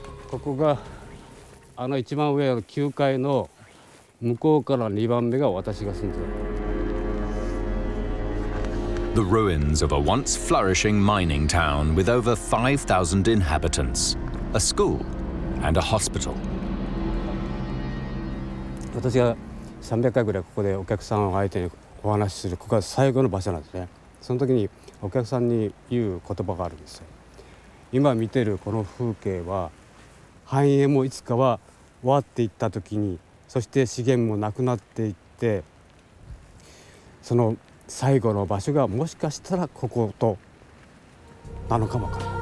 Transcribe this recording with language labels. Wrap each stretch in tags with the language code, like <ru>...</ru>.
<ja>ここがあの一番上の9階の向こうから2番目が私が住んでる。</ja> <en>The ruins of a once flourishing mining town with over 5,000 inhabitants, a school and a hospital.</en> <ja>私が300回ぐらいここでお客さんを相手にお話しするここが最後の場所なんですね。その時にお客さんに言う言葉があるんですよ。今見てるこの風景は繁栄もいつかは終わっていった時に、そして資源もなくなっていって、その最後の場所がもしかしたらこことなのかもか。</ja>